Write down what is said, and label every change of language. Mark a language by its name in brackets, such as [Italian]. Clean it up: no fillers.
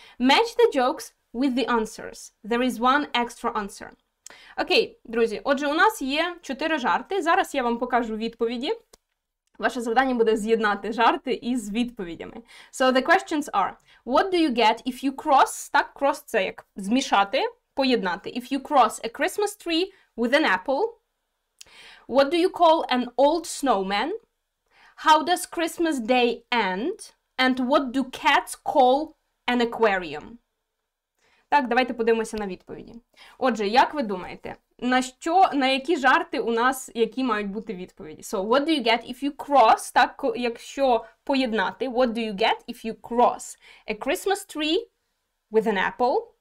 [English] Match the jokes with the answers. There is one extra answer. [Ukrainian] Окей, друзі, отже, у нас є 4 жарти. Зараз я вам покажу відповіді. Ваше завдання буде з'єднати жарти із відповідями. [English] So the questions are, what do you get if you cross, [Ukrainian] так, cross це як змішати, поєднати, [English] if you cross a Christmas tree with an apple? What do you call an old snowman? How does Christmas Day end? And what do cats call an aquarium? [Ukrainian] Так, давайте подивимося на відповіді. Отже, як ви думаєте, на що, на які жарти у нас, які мають бути відповіді? [English] So, what do you get if you cross, [Ukrainian] так, якщо поєднати, [English] what do you get if you cross a Christmas tree with an apple?